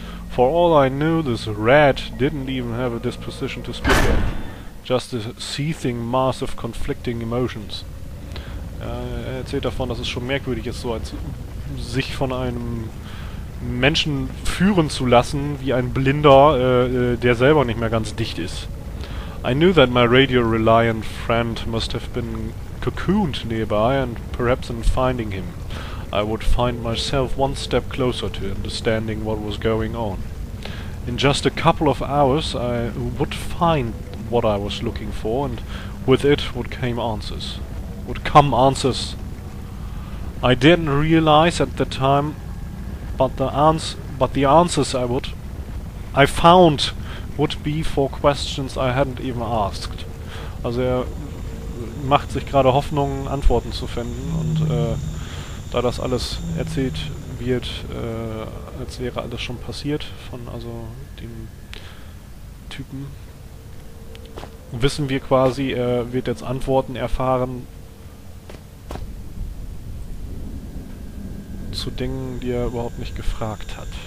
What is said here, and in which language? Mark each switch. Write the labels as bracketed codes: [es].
[en] For all I knew, this rat didn't even have a disposition to speak of, just a seething mass of conflicting emotions. [de] Er erzählt davon, dass es schon merkwürdig ist, so als sich von einem Menschen führen zu lassen, wie ein Blinder, der selber nicht mehr ganz dicht ist. [en] I knew that my radio-reliant friend must have been cocooned nearby, and perhaps in finding him, I would find myself one step closer to understanding what was going on. In just a couple of hours, I would find what I was looking for, and with it would come answers. I didn't realize at the time, but the answers I found... would be for questions I hadn't even asked. [de] Also er macht sich gerade Hoffnung, Antworten zu finden und da das alles erzählt wird, als wäre alles schon passiert von also dem Typen, wissen wir quasi, er wird jetzt Antworten erfahren zu Dingen, die er überhaupt nicht gefragt hat.